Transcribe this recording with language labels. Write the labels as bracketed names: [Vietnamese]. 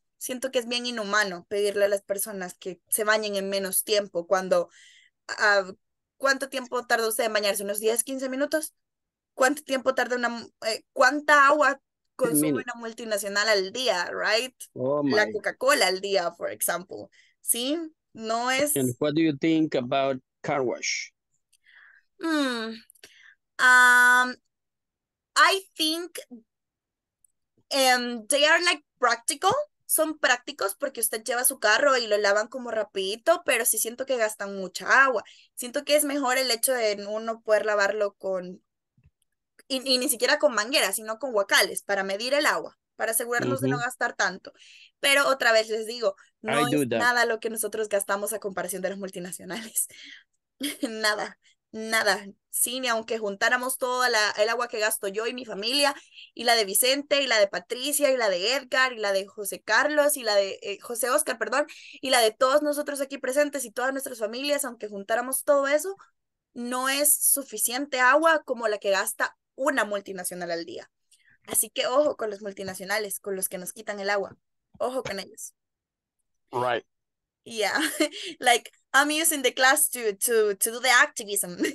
[Spanish] Siento que es bien inhumano pedirle a las personas que se bañen en menos tiempo cuando ¿cuánto tiempo tarda usted en bañarse? ¿Unos 10, 15 minutos? ¿Cuánto tiempo tarda cuánta agua consume una multinacional al día, right? [English] Oh, my. [Spanish] La Coca-Cola al día, [English] for example. [Spanish] ¿Sí? No es... [English] And what do you think about car wash? I think they are like practical. [Spanish] Son prácticos porque usted lleva su carro y lo lavan como rapidito, pero sí siento que gastan mucha agua. Siento que es mejor el hecho de uno poder lavarlo con... Y ni siquiera con mangueras, sino con huacales para medir el agua, para asegurarnos uh-huh. de no gastar tanto. Pero otra vez les digo, no es nada lo que nosotros gastamos a comparación de las multinacionales. Nada, nada. Sí, ni aunque juntáramos toda el agua que gasto yo y mi familia, y la de Vicente, y la de Patricia, y la de Edgar, y la de José Carlos, y la de José Oscar, perdón, y la de todos nosotros aquí presentes y todas nuestras familias, aunque juntáramos todo eso, no es suficiente agua como la que gasta una multinacional al día. Así que ojo con los multinacionales, con los que nos quitan el agua. Ojo con ellos. [English] Right. Yeah. Like, I'm using the class to do the activism.